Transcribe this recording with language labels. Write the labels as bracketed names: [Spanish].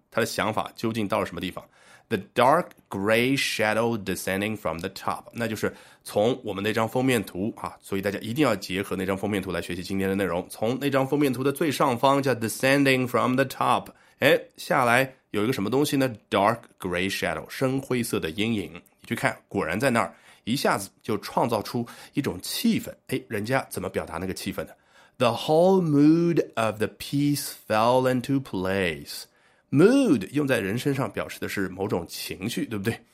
[Chinese] 他的想法究竟到了什么地方？ [English] The dark gray shadow descending from the top， [Chinese] 那就是从我们那张封面图啊，所以大家一定要结合那张封面图来学习今天的内容。从那张封面图的最上方叫 [English] descending from the top， [Chinese] 哎，下来有一个什么东西呢？ [English] Dark gray shadow， [Chinese] 深灰色的阴影。你去看，果然在那儿，一下子就创造出一种气氛。哎，人家怎么表达那个气氛呢？ [English] The whole mood of the piece fell into place. [Chinese] Mood 用在人身上表示的是某种情绪，对不对？